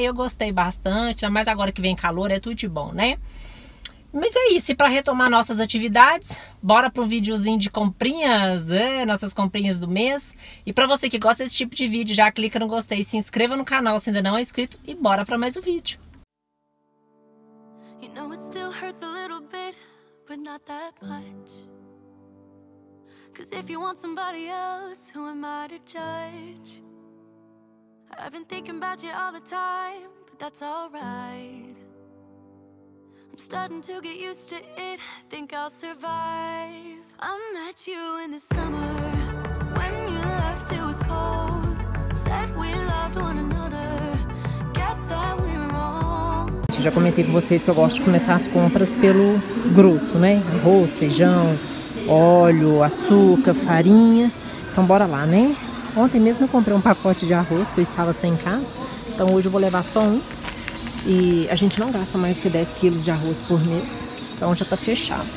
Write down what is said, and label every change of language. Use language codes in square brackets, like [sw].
[pt] Eu gostei bastante. Mas agora que vem calor, é tudo de bom, né? Mas é isso, e para retomar nossas atividades, bora para um videozinho de comprinhas, nossas comprinhas do mês. E para você que gosta desse tipo de vídeo, já clica no gostei, se inscreva no canal se ainda não é inscrito e bora para mais um vídeo. [en] You know it still hurts a little bit, but not that much. Cause if you want somebody else, who am I to judge? I've been thinking about you all the time, but that's alright. I'm starting to get used to it, think I'll survive. I met you in the summer, when you left it was cold. Said we loved one another, guess that we were wrong. [pt] Eu já comentei com vocês que eu gosto de começar as compras pelo grosso, né? Arroz, feijão, óleo, açúcar, farinha. Então bora lá, né? Ontem mesmo eu comprei um pacote de arroz, que eu estava sem casa. Então hoje eu vou levar só um. E a gente não gasta mais que 10 quilos de arroz por mês, então já tá fechado.